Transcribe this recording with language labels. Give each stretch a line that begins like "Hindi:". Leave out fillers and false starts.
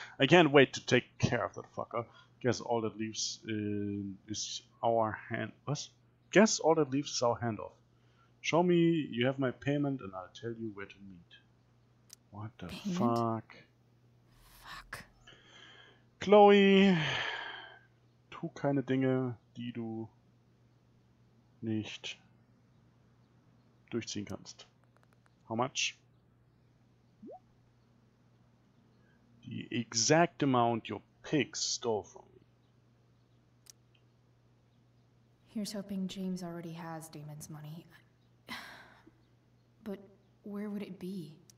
English: I can't wait to take care of that fucker. Guess all that leaves is our hand. Was? Guess all that leaves is our handoff. Show me, you have my payment and I'll tell you where to meet. What the fuck? Fuck.
German: Chloe, tu keine Dinge, die du nicht durchziehen kannst.
English: How much? The exact amount your pigs stole from me. Here's hoping James already has Damon's money. But where would it be?